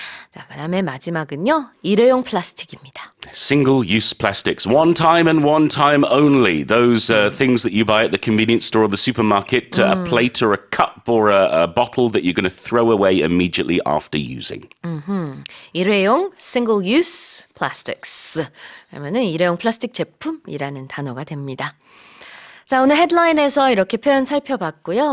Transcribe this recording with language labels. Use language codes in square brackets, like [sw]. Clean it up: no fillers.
[ko] 자, 그다음에 마지막은요. 일회용 플라스틱입니다. [en] Single use plastics, one time and one time only. Those things that you buy at the convenience store or the supermarket, a plate or a cup or a bottle that you're going to throw away immediately after using. [ko] Mm-hmm. 일회용 [en] single use plastics. [ko] 그러면은 일회용 플라스틱 제품이라는 단어가 됩니다. 자, 오늘 헤드라인에서 이렇게 표현 살펴봤고요.